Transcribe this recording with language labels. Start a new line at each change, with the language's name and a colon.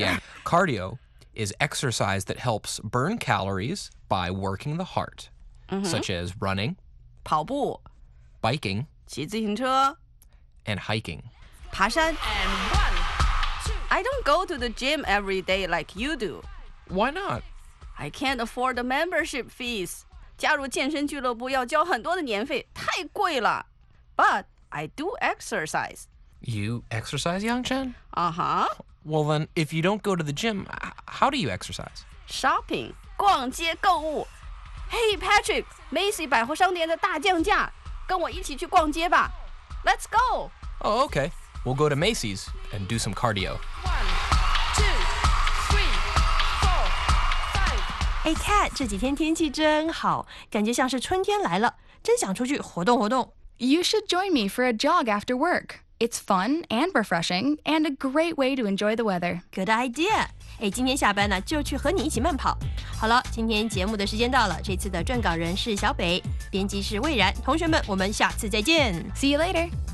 English: Yeah, cardio is exercise that helps burn calories by working the heart, such as running,
Chinese: 跑步,
English: biking,
Chinese: 骑自行车,
English: and hiking. 爬山 And one, two. I don't go to the gym every day like you do. Why not? I can't afford the membership fees.
Chinese: 加入健身俱乐部要交很多的年费，太贵了。
English: But I do exercise. You exercise, Yang Chen? Uh-huh. Well then, if you don't go to the gym, how do you exercise?
Chinese: Shopping, 逛街购物。Hey Patrick, Macy 百货商店的大降价，跟我一起去逛街吧。
English: Let's go. Oh, okay. We'll go to Macy's and do some cardio.
Chinese: Hey Kat, 这几天天气真好，感觉像是春天来了，真想出去活动活动。
English: You should join me for a jog after work. It's fun and refreshing and a great way to enjoy the weather. Good idea.
Chinese: Hey, 今天下班呢，就去和你一起慢跑。好了，今天节目的时间到了，这次的撰稿人是小北，编辑是蔚然。同学们，我们下次再见。
English: See you later.